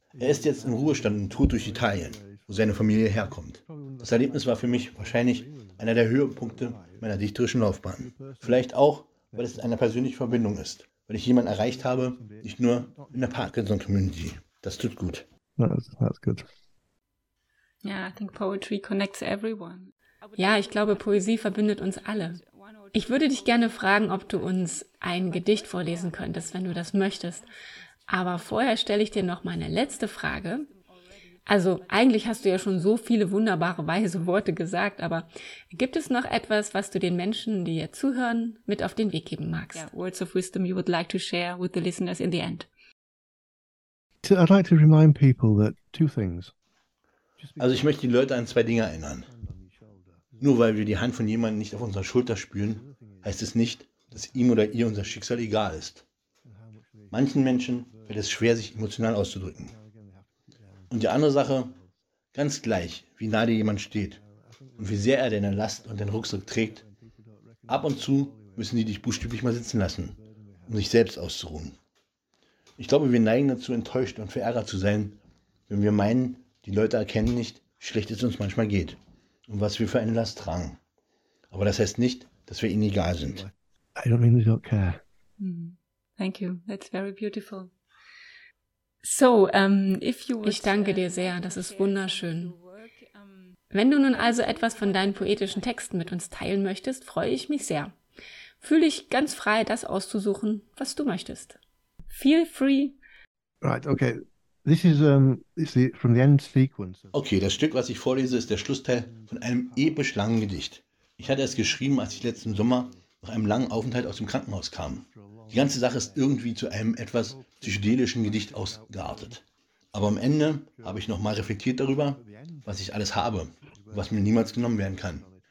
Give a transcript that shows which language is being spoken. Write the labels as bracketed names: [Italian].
[German] Er ist jetzt im Ruhestand und tourt durch Italien, wo seine Familie herkommt. Das Erlebnis war für mich wahrscheinlich einer der Höhepunkte meiner dichterischen Laufbahn. Vielleicht auch, weil es eine persönliche Verbindung ist, weil ich jemanden erreicht habe, nicht nur in der Parkinson-Community. Das tut gut. [English] That's good. Yeah, I think poetry connects everyone. [German] Ja, ich glaube, Poesie verbindet uns alle. Ich würde dich gerne fragen, ob du uns ein Gedicht vorlesen könntest, wenn du das möchtest. Aber vorher stelle ich dir noch meine letzte Frage. Also eigentlich hast du ja schon so viele wunderbare, weise Worte gesagt, aber gibt es noch etwas, was du den Menschen, die dir zuhören, mit auf den Weg geben magst? [English] Yeah, words of wisdom you would like to share with the listeners in the end. I'd like to remind people that two things. [German] Also ich möchte die Leute an 2 Dinge erinnern. Nur weil wir die Hand von jemandem nicht auf unserer Schulter spüren, heißt es nicht, dass ihm oder ihr unser Schicksal egal ist. Manchen Menschen fällt es schwer, sich emotional auszudrücken. Und die andere Sache, ganz gleich, wie nah dir jemand steht und wie sehr er deine Last und deinen Rucksack trägt, ab und zu müssen die dich buchstäblich mal sitzen lassen, um sich selbst auszuruhen. Ich glaube, wir neigen dazu, enttäuscht und verärgert zu sein, wenn wir meinen, die Leute erkennen nicht, wie schlecht es uns manchmal geht und was wir für eine Last tragen. Aber das heißt nicht, dass wir ihnen egal sind. [English] I don't mean they don't care. Thank you. That's very beautiful. So, if you would, [German] ich danke dir sehr, das ist wunderschön. Wenn du nun also etwas von deinen poetischen Texten mit uns teilen möchtest, freue ich mich sehr. Fühle dich ganz frei, das auszusuchen, was du möchtest. [English] Feel free. Right, okay. This is from the end sequence. [German] Okay, das Stück, was ich vorlese, ist der Schlussteil von einem episch langen Gedicht. Ich hatte es geschrieben, als ich letzten Sommer nach einem langen Aufenthalt aus dem Krankenhaus kam. Die ganze Sache ist irgendwie zu einem etwas psychedelischen Gedicht ausgeartet. Aber am Ende habe ich nochmal reflektiert darüber, was ich alles habe, was mir niemals genommen werden kann.